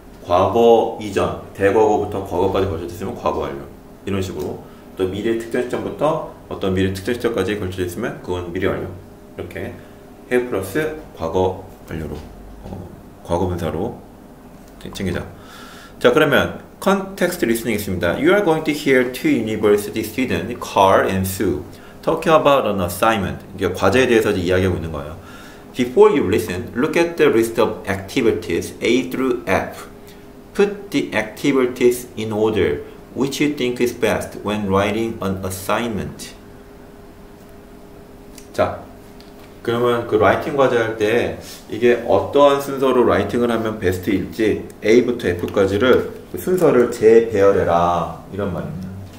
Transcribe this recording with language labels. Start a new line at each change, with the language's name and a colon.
Korean: 과거 이전, 대과거부터 과거까지 걸쳐져 있으면 과거 완료. 이런 식으로 또 미래 특정 시점부터 어떤 미래 특정 시점까지 걸쳐져 있으면 그건 미래 완료. 이렇게 have 플러스 과거 완료로 과거 분사로 챙기자. 자, 그러면 context listening 있습니다.
English: You are going to hear two university students, Carl and Sue, talking about an assignment.
Korean: 이게 과제에 대해서 이야기하고 있는 거예요.
English: Before you listen, look at the list of activities A through F. Put the activities in order which you think is best when writing an assignment.
Korean: 자, 그러면 그 라이팅 과제 할때 이게 어떠한 순서로 라이팅을 하면 베스트일지 A부터 F까지를 그 순서를 재배열해라 이런 말입니다.